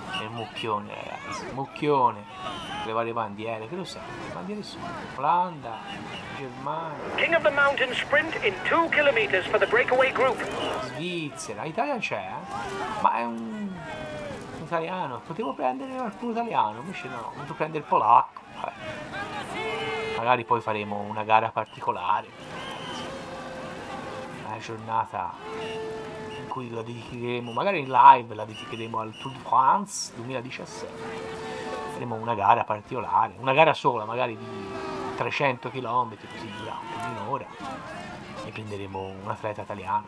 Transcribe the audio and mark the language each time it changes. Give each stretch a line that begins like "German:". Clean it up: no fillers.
Italian: Mucchione, ragazzi, mucchione, le varie bandiere, che lo sa, le bandiere sono Olanda, Germania,
English: King of the Mountain Sprint in 2 km for the breakaway group.
Italian: Svizzera, Italia c'è, eh? Ma è un italiano, potevo prendere qualcuno italiano, invece no, potevo prendere il polacco. Vabbè. Magari poi faremo una gara particolare, ragazzi. Una giornata in cui la dedicheremo, magari in live la dedicheremo al Tour de France 2017, faremo una gara particolare, una gara sola, magari di 300 km, così durante un'ora, e prenderemo un atleta italiano.